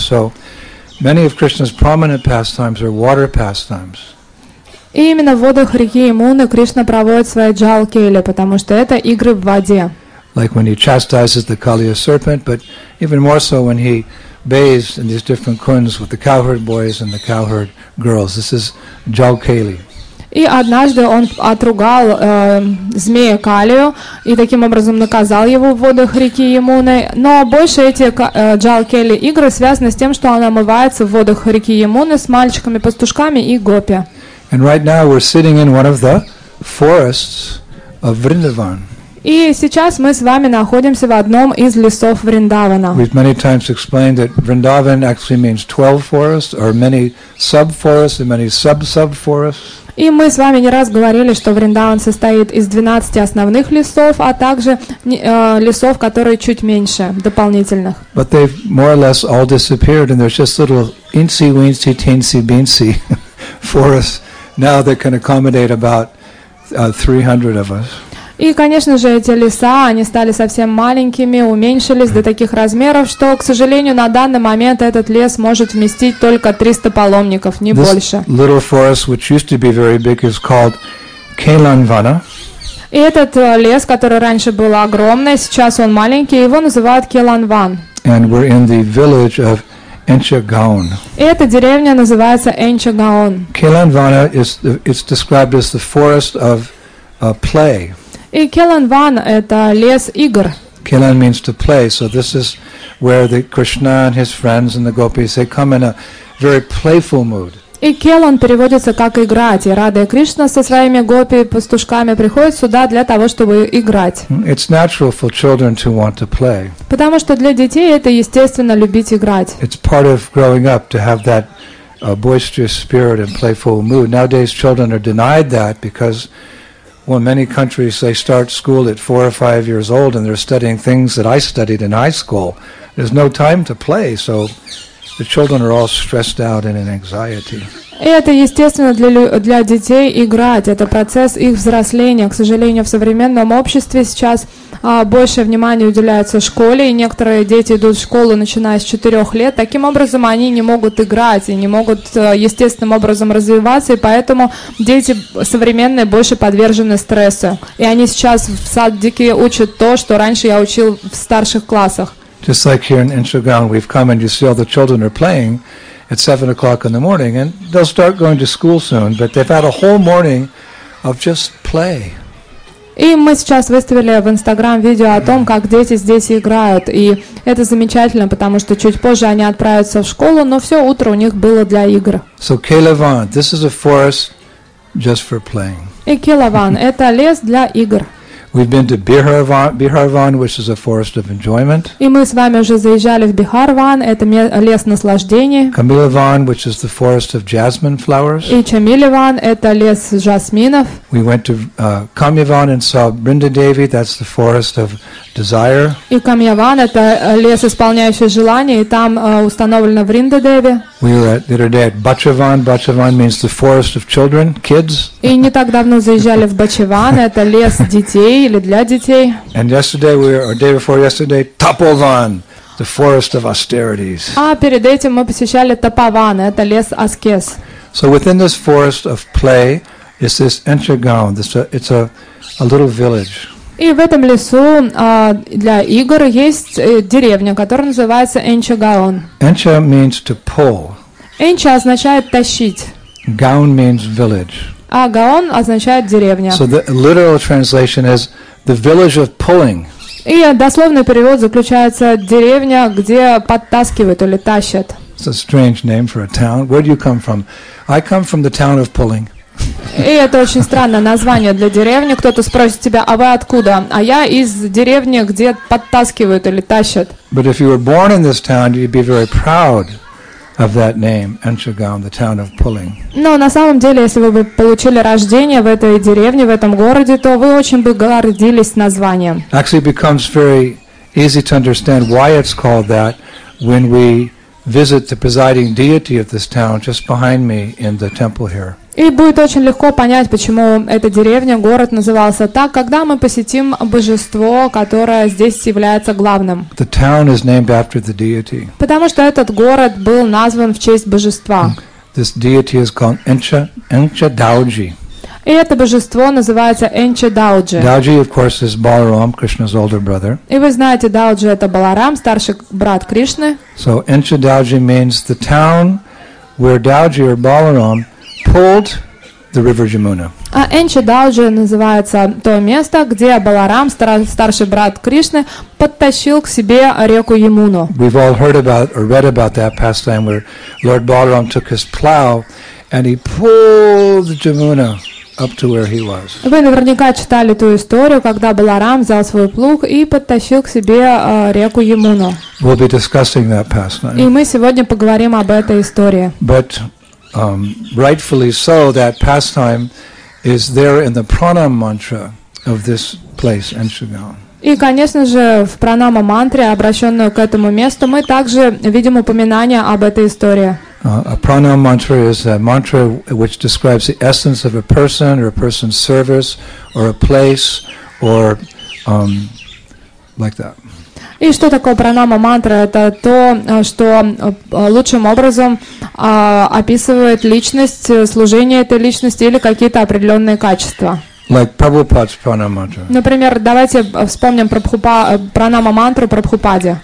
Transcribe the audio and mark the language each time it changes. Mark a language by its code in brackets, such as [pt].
[en] So many of Krishna's prominent pastimes are water pastimes. [ru] И именно в водах реки Ямуны Кришна проводит свои Jalkeli, потому что это игры в воде. [en] Like when he chastises the Kaliya serpent, but even more so when he bathes in these different kuns with the cowherd boys and the cowherd girls. This is Jalkeli. [ru] И однажды он отругал змея Калию и таким образом наказал его в водах реки Ямуны. Но больше эти Jalkeli игры связаны с тем, что он омывается в водах реки Ямуны с мальчиками, пастушками и гопи. [en] And right now we're sitting in one of the forests of Vrindavan. [ru] И сейчас мы с вами находимся в одном из лесов Вриндавана. [en] We've many times explained that Vrindavan actually means 12 forests or many sub-forests and many sub-sub-forests. [ru] И мы с вами не раз говорили, что Вриндаван состоит из 12 основных лесов, а также лесов, которые чуть меньше, дополнительных. [en] But they've more or less all disappeared, and there's just little insy-weensy, teensy-beensy forests now that can accommodate about 300 of us. [ru] И, конечно же, эти леса, они стали совсем маленькими, уменьшились до таких размеров, что, к сожалению, на данный момент этот лес может вместить только 300 паломников, не [en] this [ru] больше. [en] Little forest, which used to be very big, is called Kailanvana. [ru] И этот лес, который раньше был огромный, сейчас он маленький, его называют Kailanvan. [en] And we're in the village of Enchagaon. [ru] И эта деревня называется Enchagaon. [en] Kailanvana is it's described as the forest of play. [ru] И Kailanvan – это лес игр. [en] Kailan means to play, so this is where the Krishna and his friends and the gopis, they come in a very playful mood. [ru] И Kailan переводится как «играть», и Радхе Кришна со своими гопи, пастушками приходит сюда для того, чтобы играть. [en] It's natural for children to want to play. [ru] Потому что для детей это естественно любить играть. [en] It's part of growing up to have that boisterous spirit and playful mood. Nowadays, children are denied that because, well, in many countries, they start school at 4 or 5 years old and they're studying things that I studied in high school. There's no time to play, so the children are all stressed out and in anxiety. [ru] Это естественно для детей играть. Это процесс их взросления. К сожалению, в современном обществе сейчас больше внимания уделяется школе, и некоторые дети идут в школу, начиная с 4 лет. Таким образом, они не могут играть и не могут естественным образом развиваться, и поэтому дети современные больше подвержены стрессу. И они сейчас в садике учат то, что раньше я учил в старших классах. [en] Just like here in Inchigan, we've come and you see all the children are playing at 7 o'clock in the morning, and they'll start going to school soon, but they've had a whole morning of just play. [ru] И мы сейчас выставили в Instagram видео о том, как дети здесь играют, и это замечательно, потому что чуть позже они отправятся в школу, но все утро у них было для игр. [en] So, Kelavan, this is a forest just for playing. [ru] И Kelavan, это лес для игр. [en] We've been to Biharvan, which is a forest of enjoyment. [ru] И мы с вами уже заезжали в Бихарван, это лес наслаждения. [en] Камилаван, which is the forest of jasmine flowers. [ru] И Чамилаван, это лес жасминов. [en] We went to Камьяван and saw Бриндадеви, that's the forest of desire. [ru] И Камьяван, это лес исполняющий желания, и там установлено Бриндадеви. [en] We were the other day at Бачаван. Бачаван means the forest of children, kids. [ru] И не так давно заезжали в Бачаван, это лес детей. [en] And yesterday, day before yesterday, Tapovan, the forest of austerities. [ru] А перед этим мы посещали Тапован, это лес аскез. [en] So within this forest of play is this Enchigaon. It's a little village. [ru] И в этом лесу для игр есть деревня, которая называется Enchigaon. [en] Encha means to pull. [ru] Encha означает тащить. [en] Gaon means village. [ru] А Гаон означает деревня. [en] So the literal translation is the village of pulling. [ru] И дословный перевод заключается деревня, где подтаскивают или тащат. [en] It's a strange name for a town. Where do you come from? I come from the town of pulling. [ru] И это очень странное название для деревни. Кто-то спросит тебя, а вы откуда? А я из деревни, где подтаскивают или тащат. [en] But if you were born in this town, you'd be very proud of that name, Enchigaon, the town of pulling. [ru] Но на самом деле, если вы получили рождение в этой деревне, в этом городе, то вы очень бы гордились названием. [en] Actually, it becomes very easy to understand why it's called that when we visit the presiding deity of this town just behind me in the temple here. [ru] И будет очень легко понять, почему эта деревня, город назывался так, когда мы посетим божество, которое здесь является главным. [en] The town is named after the deity. [ru] Потому что этот город был назван в честь божества. [en] This deity is called Encha Dauji. [ru] И это божество называется Encha Dauji. [en] Dauji, of course, is Balaram, Krishna's older brother. [ru] И вы знаете, Dauji это Баларам, старший брат Кришны. [en] So Encha Dauji means the town where Dauji or Balaram pulled the river Jamuna. [ru] А Encha Dauji называется то место, где Баларам, старший брат Кришны, подтащил к себе реку Ямуну. [en] We've all heard about or read about that pastime where Lord Balaram took his plow and he pulled Jamuna up to where he was. [ru] Вы наверняка читали ту историю, когда Баларам взял свой плуг и подтащил к себе реку Ямуну. [en] We'll be discussing that pastime. [ru] И мы сегодня поговорим об этой истории. [en] But rightfully so, that pastime is there in the pranam mantra of this place, Enchigaon. [ru] И, конечно же, в пранама мантре, обращенную к этому месту, мы также видим упоминание об этой истории. [en] A pranam mantra is a mantra which describes the essence of a person or a person's service or a place or like that. [ru] И что такое пранама мантра? Это то, что лучшим образом описывает личность, служение этой личности или какие-то определенные качества. [en] Like Prabhupada's pranama mantra. [ru] Например, давайте вспомним пранама мантру Прабхупаде.